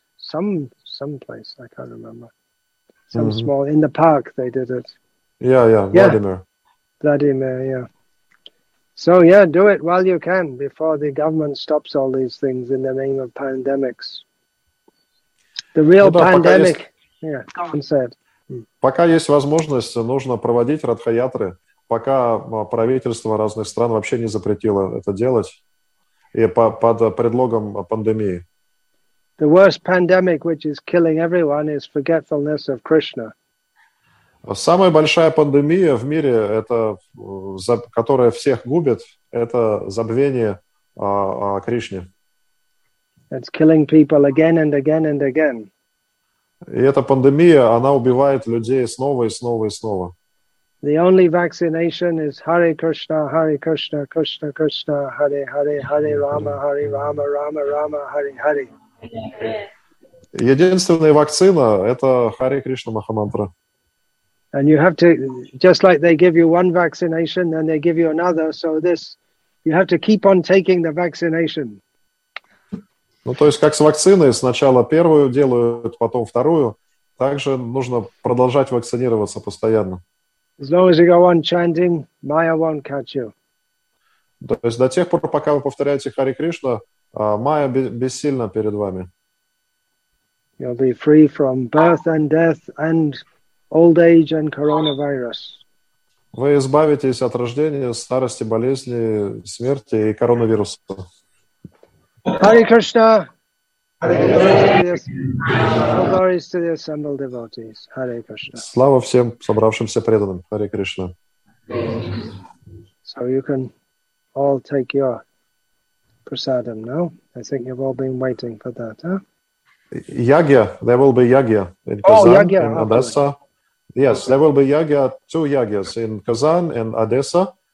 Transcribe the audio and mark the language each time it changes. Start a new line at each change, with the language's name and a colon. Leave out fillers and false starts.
English: Some place, I can't remember. Some mm-hmm. small, in the park they did it. Yeah, Vladimir. Vladimir, yeah. So yeah, do it while you can, before the government stops all these things in the name of pandemics. The real pandemic, said.
Russian: Пока есть возможность, нужно проводить Радхаятры, пока правительство разных стран вообще не запретило это делать и под предлогом пандемии.
English: The worst pandemic, which is killing everyone, is forgetfulness of Krishna.
Russian: Самая большая пандемия в мире, это, которая всех губит, это забвение о Кришне.
English: It's killing people again and again and again.
Russian: И эта пандемия, она убивает людей снова и снова и снова.
English: The only vaccination is Hare Krishna, Hare Krishna, Krishna Krishna, Hare Hare, Hare Rama, Hare Rama, Rama Rama, Hare Hare.
Russian: Единственная вакцина – это Hare Krishna Махамантра.
English: And you have to, just like they give you one vaccination, then they give you another, so this, you have to keep on taking the vaccination.
Russian: Ну, то есть, как с вакциной, сначала первую делают, потом вторую, также нужно продолжать вакцинироваться постоянно.
English: As long as you go on chanting, Maya won't catch you.
Russian: То есть до тех пор, пока вы повторяете Hare Krishna, Maya бессильна перед вами.
English: You'll be free from birth and death and old age and coronavirus.
Russian: Вы избавитесь от рождения, старости, болезни, смерти и коронавируса.
English: Hare Krishna! Hare Krishna! Glories to the assembled devotees. Hare Krishna.
Russian: Слава всем собравшимся преданным.
English: Hare Krishna. So you can all take your prasadam now. I think you've all been waiting for that, huh? Yagya. There will be yagya in Kazan, yagya, in Odessa. Yes, there will be yagya, two yagyas in Kazan and Odessa.